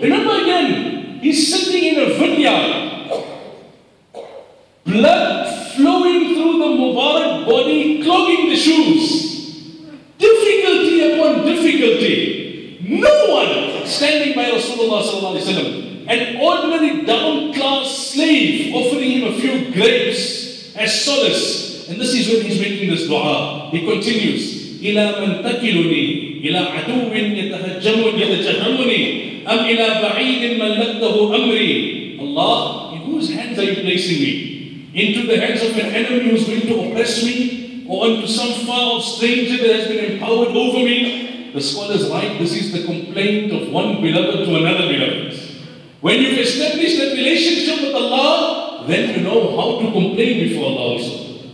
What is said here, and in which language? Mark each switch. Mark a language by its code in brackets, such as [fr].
[en] Remember again, he's sitting in a vineyard, blood flowing through the Mubarak body, clogging the shoes. Difficulty upon difficulty. No one standing by Rasulullah sallallahu alayhi wa sallam. An ordinary down-class slave offering him a few grapes as solace. And this is when he's making this dua. He continues, [ar] إِلَىٰ مَنْ تَكِلُنِي إِلَىٰ عَدُوٍ يَتَهَجَّمُنْ يَتَجَهَمُنِي أَمْ إِلَىٰ بَعِيدٍ مَنْ لَدَّهُ أَمْرِي. [en] Allah, in whose hands are you placing me? Into the hands of an enemy who's going to oppress me? Or onto some far-off stranger that has been empowered over me? The scholars write, this is the complaint of one beloved to another beloved. When you've established that relationship with Allah, then you know how to complain before Allah also.